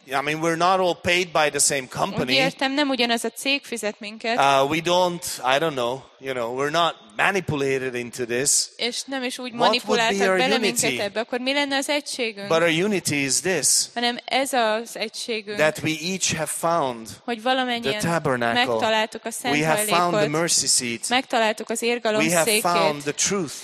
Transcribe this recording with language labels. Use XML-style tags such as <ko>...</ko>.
<en>Yeah, I mean, we're not all paid by the same company.</en> <hu>Úgy értem, nem ugyanaz a cég fizet minket.</hu> <en>We don't, I don't know, you know, we're not manipulated into this.</en> <hu>És nem is úgy manipuláltak bele minket unity? Ebbe, akkor mi lenne az egységünk?</hu> <en>But our unity is this.</en> <hu>Hanem ez az egységünk.</hu> <en>That we each have found</en> <hu>hogy valamennyien</hu> <en>the tabernacle.</en> <hu>Megtaláltuk a szent hajlékot.</hu> <en>We have found the mercy seat.</en> <hu>Megtaláltuk az érgalom székét.</hu> <en>We have</en> <hu>székét.</hu> <en>Found the truth.</en>